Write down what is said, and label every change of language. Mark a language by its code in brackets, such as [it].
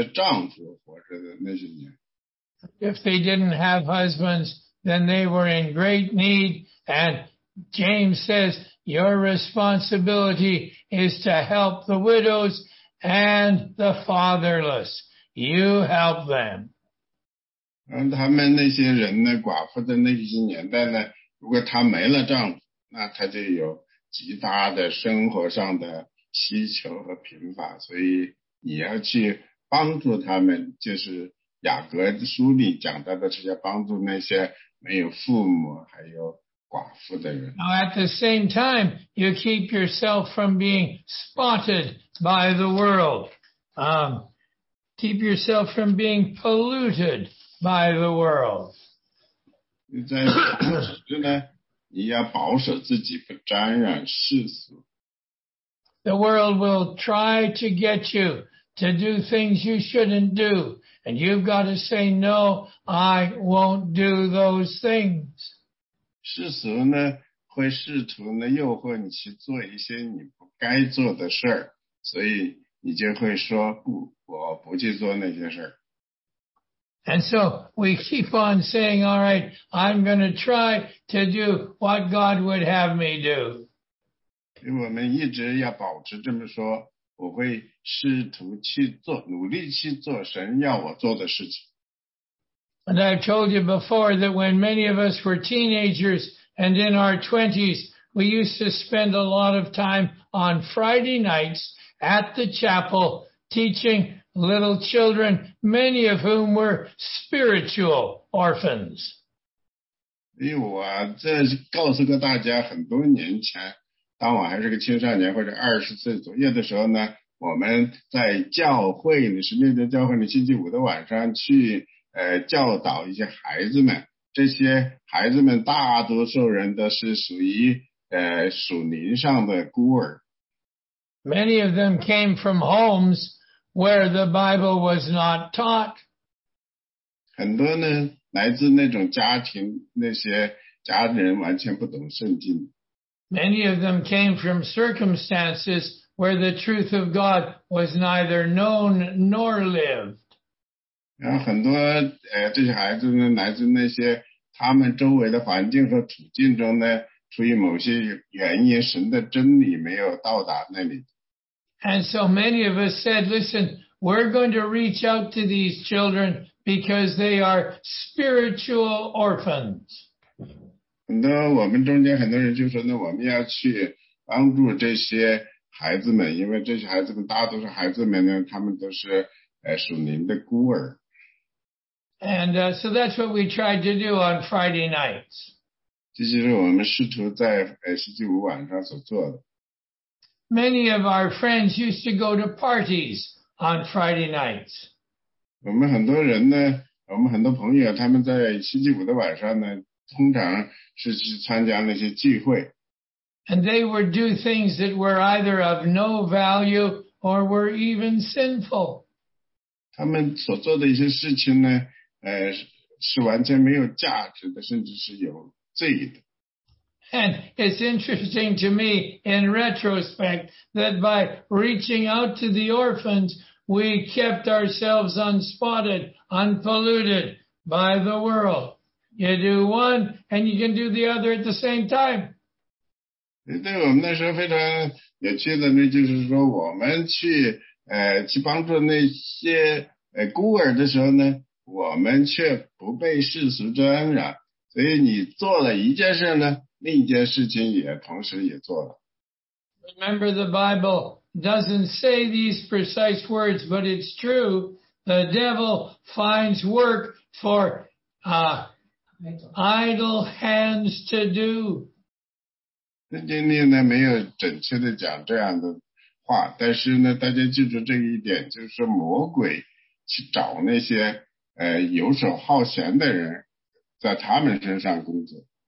[zh] 然后呢，这个年代呢，那些寡妇呢，他们也是有需求的，因为当那个年代的寡妇，他们没有多少钱，也没有工作，所以没人看顾他们，他们只是靠他们的丈夫活着的那些年。If [en] they didn't have husbands, then they were in great need, and James says, your responsibility is to help the widows and the fatherless. You help them. [zh] 他们那些人呢，寡妇的那些年代呢，如果她没了丈夫，那她就有极大的生活上的祈求和贫乏，所以你要去帮助他们，就是雅各书里讲到的是要帮助那些没有父母还有寡妇的人。 [en] Now at the same time, you keep yourself from being spotted by the world. Keep yourself from being polluted by the world. [zh] 在同时呢，你要保守自己不沾染世俗。 [en] The world will try to get you to do things you shouldn't do, and you've got to say, no, I won't do those things. [zh] 世俗呢，会试图呢，诱惑你去做一些你不该做的事儿，所以你就会说，不，我不去做那些事儿。 [en] And so we keep on saying, all right, I'm going to try to do what God would have me do. [zh] 我们一直要保持这么说，我会试图去做，努力去做神要我做的事情。 [en] And I've told you before that when many of us were teenagers and in our 20s, we used to spend a lot of time on Friday nights at the chapel teaching little children, many of whom were spiritual orphans. [zh] 因为我这告诉过大家，很多年前，当我还是个青少年或者二十岁左右的时候呢，我们在教会里，十六届教会里星期五的晚上去教导一些孩子们。这些孩子们大多数人都是属于属灵上的孤儿。 [en] Many of them came from homes where the Bible was not taught. [zh] 很多呢，来自那种家庭，那些家人完全不懂圣经。 [en] Many of them came from circumstances where the truth of God was neither known nor lived. [zh] 然后很多这些孩子呢，来自那些他们周围的环境和处境中呢，出于某些原因，神的真理没有到达那里。 [en] And so many of us said, listen, we're going to reach out to these children because they are spiritual orphans. [zh] 很多我们中间很多人就说呢，我们要去帮助这些孩子们，因为这些孩子们大多数孩子们呢，他们都是属灵的孤儿。 [en] And so that's what we tried to do on Friday nights. [zh] 这就是我们试图在星期五晚上所做的。 [en] Many of our friends used to go to parties on Friday nights. [zh] 我们很多人呢，我们很多朋友，他们在星期五的晚上呢，通常是去参加那些聚会。 [en] And they would do things that were either of no value or were even sinful. [zh] 他们所做的一些事情呢，是完全没有价值的，甚至是有罪的。 [en] And it's interesting to me in retrospect that by reaching out to the orphans, we kept ourselves unspotted, unpolluted by the world. You do one and you can do the other at the same time. [zh] 对我们那时候非常有趣的呢，就是说我们去帮助那些孤儿的时候呢，我们却不被世俗沾染。所以你做了一件事呢，另一件事情也同时也做了。 [en] Remember, the Bible doesn't say these precise words, but it's true. The devil finds work for idle hands to do. [zh] 圣经里呢没有准确的讲这样的话，但是呢，大家记住这一点，就是魔鬼去找那些游手好闲的人，在他们身上工作。